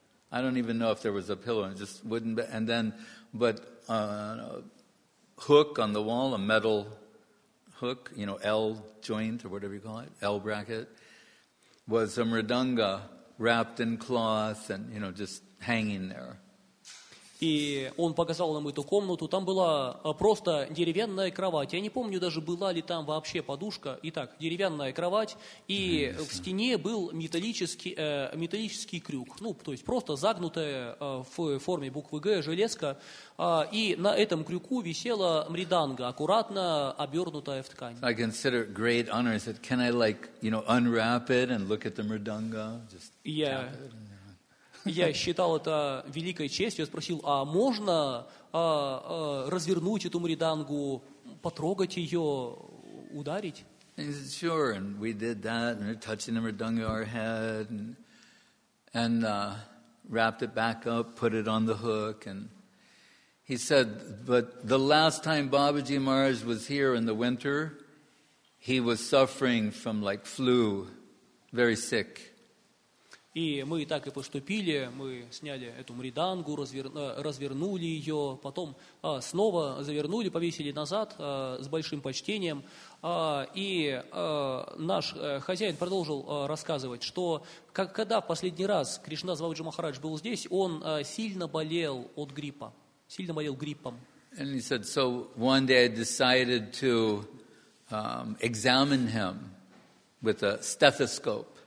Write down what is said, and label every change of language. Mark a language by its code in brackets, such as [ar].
[en] I don't even know if there was a pillow. Just wooden bed. And then, but a hook on the wall, a metal hook, you know, L joint or whatever you call it, L bracket, was a mridanga wrapped in cloth and, you know, just hanging there. [ru] И он показал нам эту комнату. Там была просто деревянная кровать. Я не помню даже, была ли там вообще подушка. Итак, деревянная кровать. И в стене был металлический крюк. Ну, то есть просто загнутая в форме буквы «Г» железка. И на этом крюку висела мриданга, аккуратно обернутая в ткань. [en] I consider it great honor. I said, can I like, you know, unwrap it and look at the mridanga? Just tap it. [ru] Я считал это великой честью. Я спросил, а можно развернуть эту мридангу, потрогать ее, ударить? [en] Sure, and we did that, and we're touching the mridanga our head, and wrapped it back up, put it on the hook, and he said, but the last time Babaji Maharaj was here in the winter, he was suffering from like flu, very sick. [ru] И мы так и поступили, мы сняли эту мридангу, развернули ее, потом снова завернули, повесили назад с большим почтением. И наш хозяин продолжил рассказывать, что когда в последний раз Кришнадас Бабаджи Махарадж был здесь, он сильно болел от гриппа, сильно болел гриппом. [en] And he said, so one day I decided to examine him with a stethoscope.